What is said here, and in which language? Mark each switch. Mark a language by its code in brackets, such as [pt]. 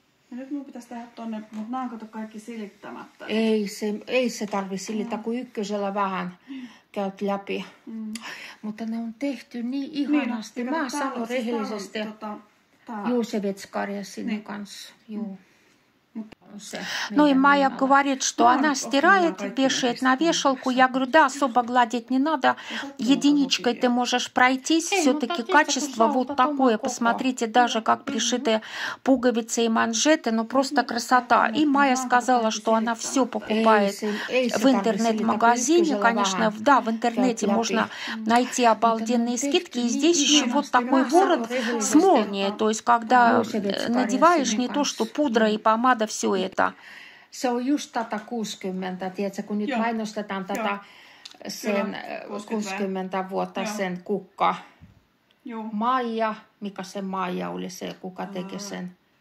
[fi] Ja nyt mun pitäisi tehdä tonne, mutta nää on kato kaikki silittämättä. Ei se tarvi silittää, kun ykkösellä vähän käyt läpi. Mutta ne on tehty niin ihanasti. Niin, mä sanon siis rehellisesti Juusevetskaria sinne niin kanssa. Joo. [ru] Ну и Майя говорит, что она стирает, вешает на вешалку. Я говорю, да, особо гладить не надо. Единичкой ты можешь пройтись. Все-таки качество вот такое. Посмотрите, даже как пришиты пуговицы и манжеты. Ну просто красота. И Майя сказала, что она все покупает в интернет-магазине. Конечно, да, в интернете можно найти обалденные скидки. И здесь еще вот такой ворот с молнией. То есть, когда надеваешь не то, что пудра и помада, все это. [fi] Se on just tätä 60, tiedätkö, kun nyt mainostetaan tätä sen 60 vuotta sen kukka. Maija, mikä se Maija oli se, kuka teki sen?